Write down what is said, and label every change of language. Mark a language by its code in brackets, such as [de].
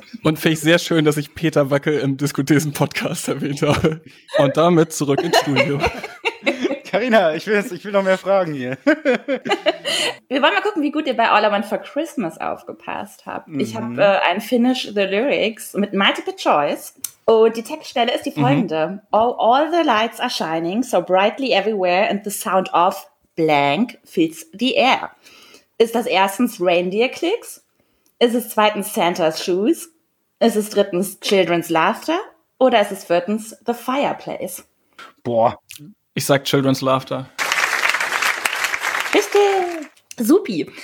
[de] Und finde ich sehr schön, dass ich Peter Wackel im Diskothesen-Podcast erwähnt habe. Und damit zurück ins Studio. Carina, ich will noch mehr Fragen hier. Wir wollen mal gucken, wie gut ihr bei All I Want for Christmas aufgepasst habt. Mhm. Ich habe ein Finish the Lyrics mit Multiple Choice. Und die Textstelle ist die folgende. Mhm. [en] All the lights are shining so brightly everywhere and the sound of blank fills the air. [de] Ist das erstens Reindeer Clicks? Ist es zweitens Santa's Shoes? Ist es drittens Children's Laughter? Oder ist es viertens The Fireplace? Boah, ich sag Children's Laughter. Richtig. Supi.